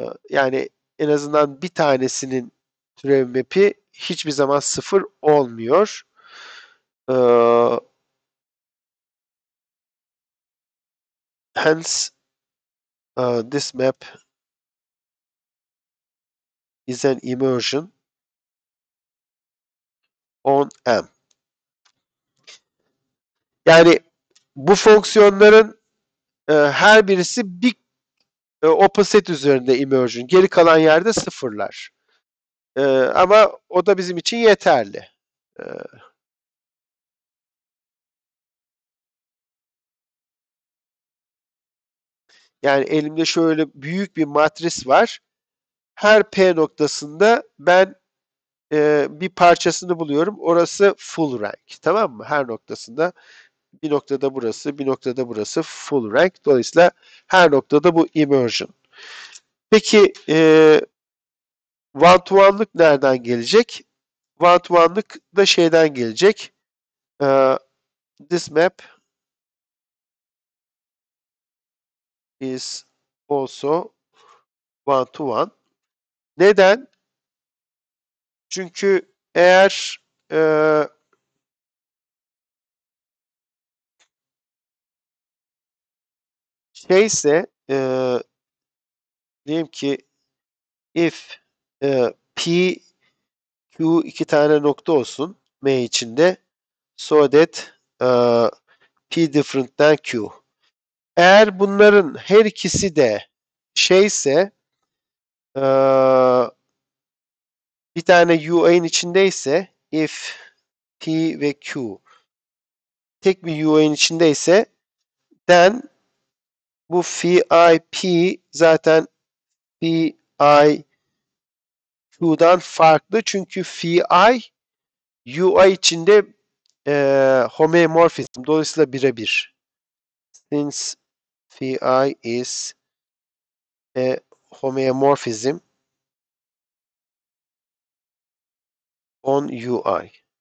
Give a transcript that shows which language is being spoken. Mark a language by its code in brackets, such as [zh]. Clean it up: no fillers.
[tr] Yani en azından bir tanesinin türev map'i hiçbir zaman sıfır olmuyor. [en] Hence this map is an immersion on M. [tr] Yani bu fonksiyonların her birisi bir open set üzerinde immersion. Geri kalan yerde sıfırlar. Ama o da bizim için yeterli. Yani elimde şöyle büyük bir matris var. Her P noktasında ben bir parçasını buluyorum. Orası full rank, tamam mı? Her noktasında bir noktada burası, bir noktada burası full rank. Dolayısıyla her noktada bu immersion. Peki one to one'lık nereden gelecek? One to one'lık da şeyden gelecek. [en] This map is also one to one. [tr] Neden? Çünkü eğer şeyse diyelim ki if P Q iki tane nokta olsun M içinde [en] so that P different than Q. [tr] Eğer bunların her ikisi de şeyse bir tane UI'nin içindeyse if P ve Q tek bir UI'nin içindeyse then bu phi P zaten phi Q'dan farklı çünkü phi UI içinde homeomorfizm dolayısıyla birebir. [en] Since phi is a homeomorphism on UI.